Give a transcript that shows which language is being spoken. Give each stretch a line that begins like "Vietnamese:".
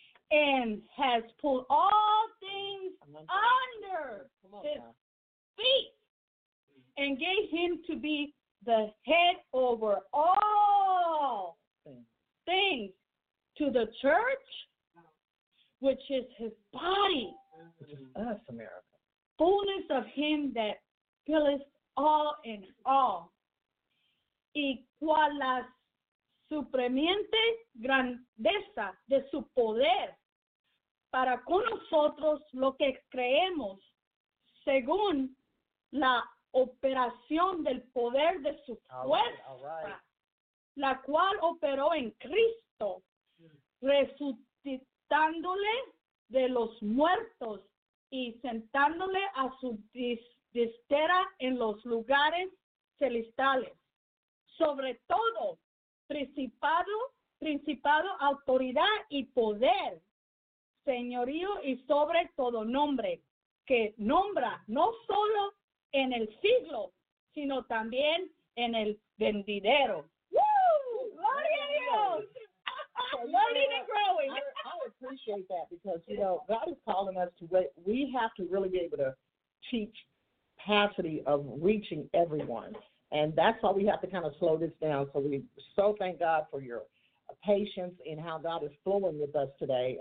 English: And has pulled all things under his feet and gave him to be the head over all things to the church, which is his body, which is us, America. Fullness of him that filleth all in all.
Spanish: Y cual la supremiente grandeza de su poder para con nosotros lo que creemos, según la operación del poder de su fuerza, la cual operó en Cristo, resucitándole de los muertos y sentándole a su diestra en los lugares celestiales, sobre todo principado, autoridad y poder, señorío y sobre todo nombre, que nombra no solo en el siglo, sino también en el venidero.
English: ¡Woo!
Spanish: ¡Gloria a Dios!
English: Learning and growing. I appreciate that because, you know, God is calling us to, we have to really be able to teach capacity of reaching everyone. And that's why we have to kind of slow this down. So we so thank God for your patience in how God is flowing with us today.